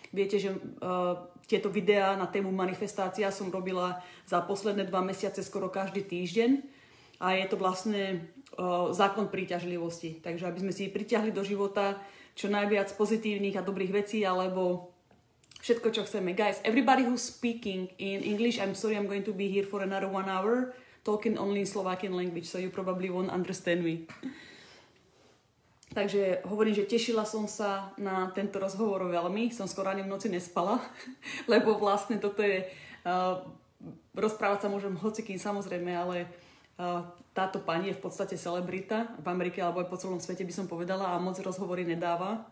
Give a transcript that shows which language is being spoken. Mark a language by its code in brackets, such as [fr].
[sk] Viete, že tieto videá na tému manifestácia som robila za posledné 2 mesiace skoro každý týždeň. A je to vlastne zákon príťažlivosti. Takže aby sme si priťahli do života čo najviac pozitívnych a dobrých vecí, alebo všetko, čo chceme. [en] Guys, everybody who's speaking in English, I'm sorry, I'm going to be here for another 1 hour. Talking only in Slovakian language, so you probably won't understand me. [sk] Takže hovorím, že tešila som sa na tento rozhovor veľmi. Som skoro ani v noci nespala, lebo vlastne toto je... Rozprávať sa môžem hocikým, samozrejme, ale táto pani je v podstate celebrita v Amerike, alebo aj po celom svete, by som povedala, a moc rozhovory nedáva.